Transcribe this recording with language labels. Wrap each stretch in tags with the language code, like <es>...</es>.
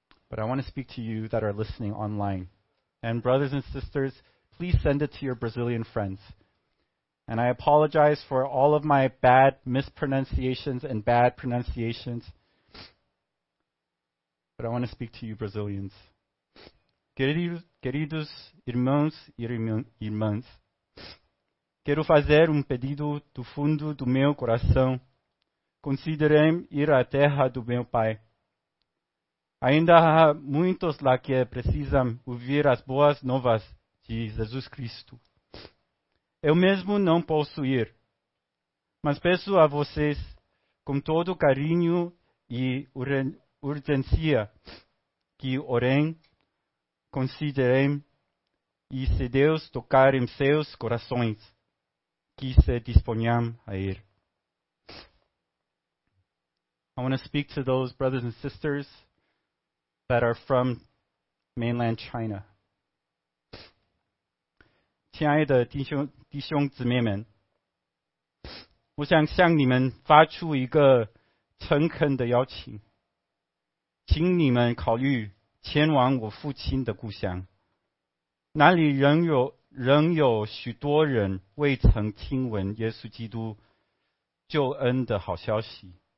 <en>But I want to speak to you that are listening online. And brothers and sisters, please send it to your Brazilian friends. And I apologize for all of my bad mispronunciations and bad pronunciations. But I want to speak to you Brazilians.</en> <pt>Queridos irmãos e irmãs, quero fazer pedido do fundo do meu coração. Considerem ir à terra do meu pai. Ainda há muitos lá que precisam ouvir as boas novas de Jesus Cristo. Eu mesmo não posso ir, mas peço a vocês, com todo carinho e urgência, que orem, considerem, e se Deus tocar em seus corações, que se disponham a ir.</pt> <en>I want to speak to those brothers and sisters that are from mainland China.</en> <zh>亲爱的弟兄姊妹们, 我想向你们发出一个诚恳的邀请, 请你们考虑前往我父亲的故乡, 那里仍有许多人未曾听闻耶稣基督救恩的好消息。</zh>